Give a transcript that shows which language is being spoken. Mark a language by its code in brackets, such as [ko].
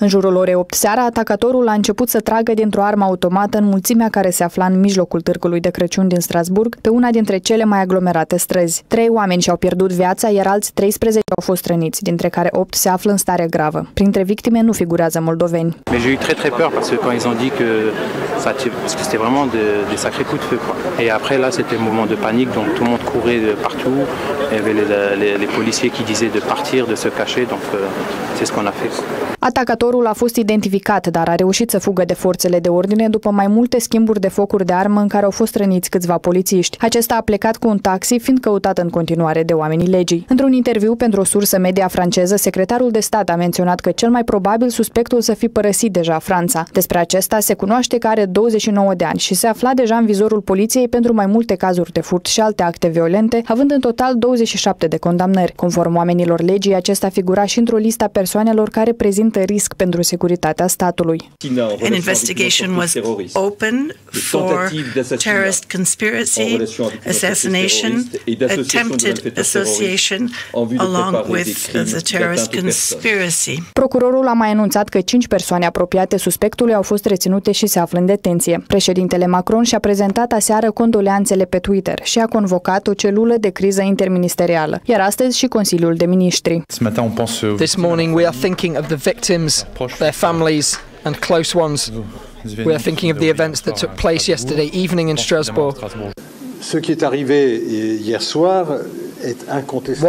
[ro] În jurul orei 8 seara, atacatorul a început să tragă dintr-o armă automată în mulțimea care se afla în mijlocul târgului de Crăciun din Strasburg, pe una dintre cele mai aglomerate străzi. 3 oameni și-au pierdut viața, iar alți 13 au fost răniți, dintre care 8 se află în stare gravă. Printre victime nu figurează moldoveni. [fr] Mais j'ai eu très très peur parce que quand ils ont dit que ça c'était vraiment des sacrés coups de feu quoi. Et après là, c'était un moment de panique, donc tout le monde courait partout. Il y avait les policiers qui disaient de partir, de se cacher, donc c'est ce qu'on a fait. [ro] Atacatorul a fost identificat, dar a reușit să fugă de forțele de ordine după mai multe schimburi de focuri de armă în care au fost răniți câțiva polițiști. Acesta a plecat cu un taxi, fiind căutat în continuare de oamenii legii. Într-un interviu pentru o sursă media franceză, secretarul de stat a menționat că cel mai probabil suspectul să fi părăsit deja Franța. Despre acesta se cunoaște că are 29 de ani și se afla deja în vizorul poliției pentru mai multe cazuri de furt și alte acte violente, având în total 27 de condamnări. Conform oamenilor legii, acesta figura și într-o listă a persoanelor care prezintă risc pentru securitatea statului. [en] An investigation was open for terrorist conspiracy, assassination, attempted association along with the terrorist conspiracy. [ro] Procurorul a mai anunțat că 5 persoane apropiate suspectului au fost reținute și se află în detenție. Președintele Macron și-a prezentat aseară condoleanțele pe Twitter și a convocat o celulă de criză interministerială, iar astăzi și Consiliul de Miniștri. [en] This morning we are thinking of the victims, their families and close ones. We are thinking of the events that took place yesterday evening in Strasbourg. [fr] Ce qui est arrivé hier soir est incontestable.